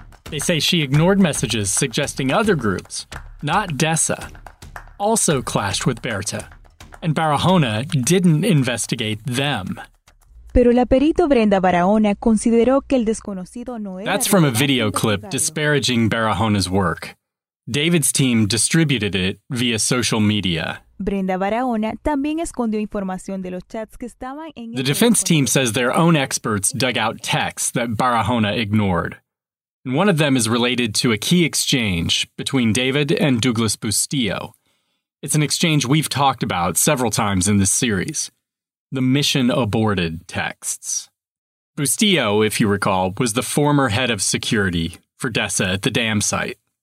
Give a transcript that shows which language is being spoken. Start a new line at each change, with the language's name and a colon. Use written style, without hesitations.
English: They say she ignored messages suggesting other groups, not Dessa, also clashed with Berta, and Barahona didn't investigate them.
Spanish: Pero la perito Brenda Barahona consideró que el desconocido no era.
English: That's from a video clip disparaging Barahona's work. David's team distributed it via social media.
Spanish: Brenda Barahona también escondió información de los chats que estaban en.
English: The defense team says their own experts dug out texts that Barahona ignored. And one of them is related to a key exchange between David and Douglas Bustillo. It's an exchange we've talked about several times in this series. The mission aborted texts. Bustillo, if you recall, was the former head of security for Dessa at the dam site.